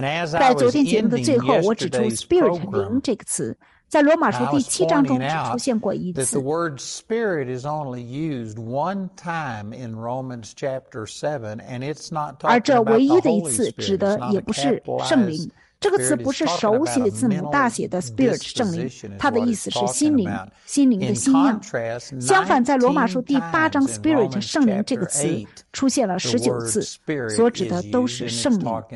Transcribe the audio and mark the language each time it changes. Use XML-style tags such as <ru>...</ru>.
<zh>在昨天节目的最后，我指出 Spirit 灵这个词在罗马书第七章中只出现过一次。</zh> <en>The word spirit is only used one time in Romans chapter 7, and it's not talking about the Holy Spirit.</en> <zh>而这唯一的一次指的也不是圣灵。这个词不是手写字母大写的 spirit 圣灵，它的意思是心灵，心灵的心样。相反，在罗马书第八章 spirit 圣灵这个词出现了19次，所指的都是圣灵。</zh>